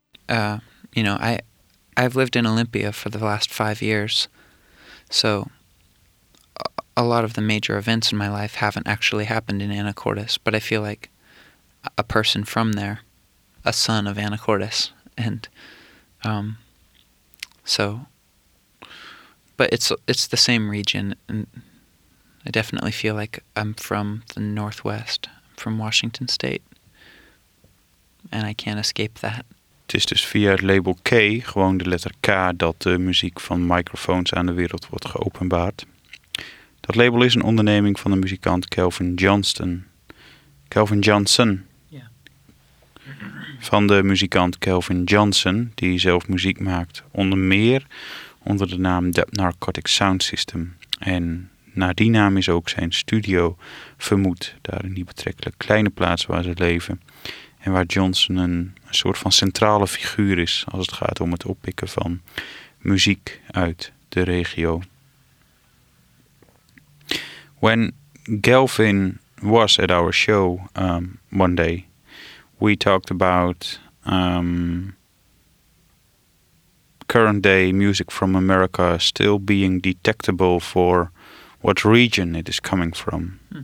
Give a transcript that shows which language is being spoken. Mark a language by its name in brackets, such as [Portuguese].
[English] You know, I've lived in Olympia for the last 5 years, so a lot of the major events in my life haven't actually happened in Anacortes, but I feel like a person from there, a son of Anacortes, and but it's the same region, and I definitely feel like I'm from the Northwest, from Washington State, and I can't escape that. [Dutch] Het is dus via het label K, gewoon de letter K, dat de muziek van Microphones aan de wereld wordt geopenbaard. Dat label is een onderneming van de muzikant Kelvin Johnston. Kelvin Johnson. Ja. Van de muzikant Kelvin Johnson, die zelf muziek maakt. Onder meer onder de naam Dub Narcotic Sound System. En naar die naam is ook zijn studio vermoed. Daar in die betrekkelijk kleine plaats waar ze leven. En waar Johnson een soort van centrale figuur is als het gaat om het oppikken van muziek uit de regio. [English] When Kelvin was at our show one day, we talked about current day music from America still being detectable for what region it is coming from.